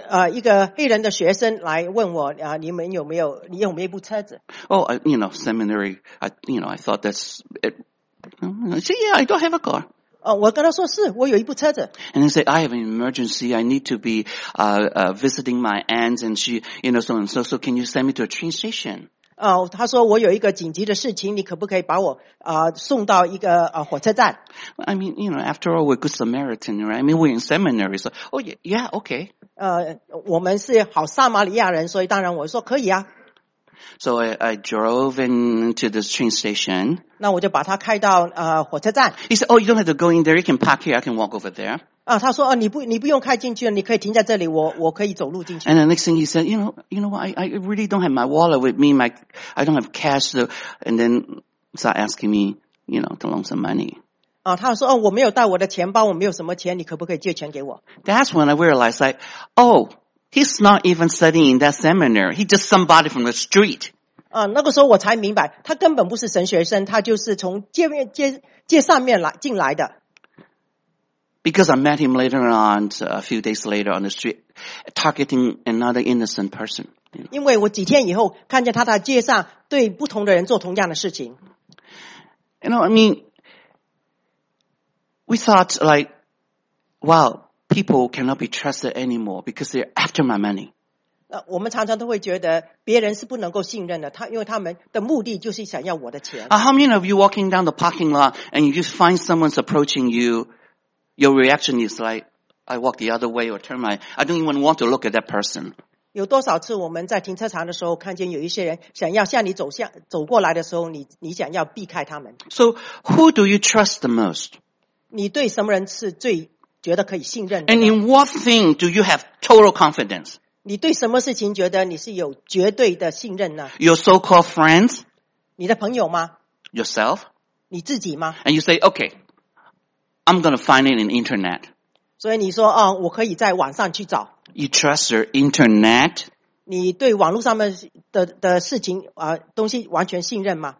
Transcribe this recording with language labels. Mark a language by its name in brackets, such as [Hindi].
[Chinese] 一个黑人的学生来问我你们有没有一部车子 [English] ？Oh, you know, seminary. I thought that's it. Say, yeah, I don't have a car. [Chinese] 我跟他说是，我有一部车子。 [English] And he said, I have an emergency. I need to be visiting my aunt, and she, you know, so and so. So can you send me to a train station? [Chinese] 他说我有一个紧急的事情，你可不可以把我送到一个火车站 [English] ？I mean, you know, after all, we're good Samaritan, right? I mean, we're in seminary, so oh yeah, yeah, okay. [Chinese] 我们是好撒玛利亚人，所以当然我说可以啊。 [English] So I drove into the train station. [Chinese] 那我就把他开到火车站。 [English] He said, "Oh, you don't have to go in there. You can park here. I can walk over there." [Chinese] 他说你不用开进去，你可以停在这里，我可以走路进去。 [English] And the next thing he said, "You know what? I really don't have my wallet with me. I don't have cash." So, and then start asking me, you know, to loan some money. [Chinese] 他说我没有带我的钱包，我没有什么钱，你可不可以借钱给我 [English] ？That's when I realized, like, oh. He's not even studying in that seminary. He's just somebody from the street. [Chinese] 那个时候我才明白，他根本不是神学生，他就是从街上面来进来的。 [English] Because I met him later on, a few days later on the street, targeting another innocent person. [Chinese] 因为我几天以后看见他在街上对不同的人做同样的事情。 [English] You know, I mean, we thought like, wow. People cannot be trusted anymore because they're after my money. [Chinese] 我们常常都会觉得别人是不能够信任的，因为他们的目的就是想要我的钱。 [English] How many of you walking down the parking lot and you just find someone's approaching you, your reaction is like, I walk the other way or turn my, I don't even want to look at that person. [Chinese] 有多少次我们在停车场的时候看见有一些人想要向你走过来的时候，你想要避开他们。 [English] So who do you trust the most? [Chinese] 你对什么人是最觉得可以信任的。 [English] And in what thing do you have total confidence? [Chinese] 你对什么事情觉得你是有绝对的信任呢？ [English] Your so-called friends? [Chinese] 你的朋友吗？ [English] Yourself? [Chinese] 你自己吗？ [English] And you say, okay, I'm going to find it in internet. [Chinese] 所以你说，我可以在网上去找。 [English] You trust your internet? [Chinese] 你对网络上面的事情东西完全信任吗？